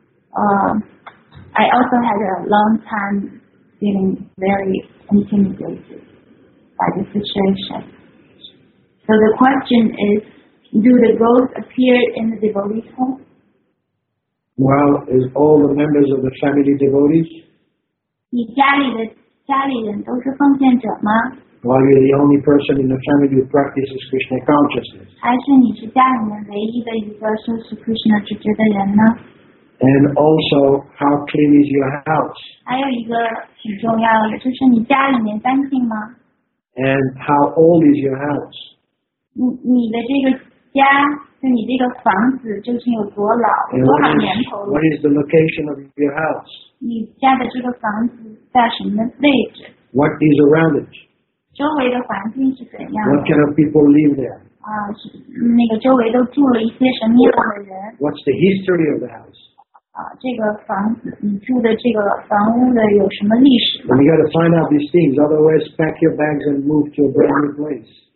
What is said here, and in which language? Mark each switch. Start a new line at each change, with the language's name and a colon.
English: I also had a long time feeling very intimidated by the situation. So the question is, do the ghosts appear in the devotee's home? Well, is all the members of the family devotees?
Chinese: 你家里的家里人都是奉献者吗？
English: Well, you're the only person in the family who practices Krishna consciousness.
Chinese: 还是你是家里面唯一的一个修持 Krishna 觉知的人呢？
English: And also, how clean is your house?
Chinese: 还有一个挺重要的，就是你家里面干净吗？
English: And how old is your house?
Chinese: 你的这个家。那你这个房子究竟有多老，有多少年头了？
English: What is the location of your house?
Chinese: 你家的这个房子在什么位置？
English: What is around it?
Chinese: 周围的环境是怎样的？
English: What kind of people live there?
Chinese: 那个周围都住了一些什么样的人？
English: What's the history of the house?
Chinese: 这个房子，你住的这个房屋的有什么历史？
English: And you got to find out these things, otherwise pack your bags and move to a brand new place.